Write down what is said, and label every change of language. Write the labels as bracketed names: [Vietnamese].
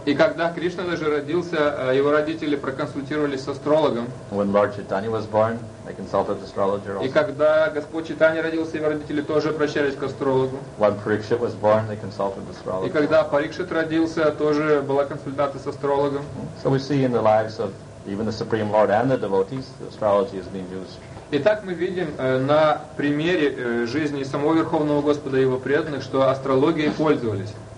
[Russian] И когда Кришна даже родился, его родители проконсультировались с астрологом. [English] When Lord Chaitanya was born, they consulted the astrologer also. [Russian] И когда Господь Чайтанья родился, его родители тоже обращались к астрологу. [English] When Parikshit was born, they consulted the astrologer. [Russian] И когда Парикшит родился, тоже была консультация с астрологом. [English] So we see in the lives of even the Supreme Lord and the devotees, astrology has been used. [Russian] Итак, мы видим на примере жизни самого Верховного Господа и его преданных, что астрологией пользовались.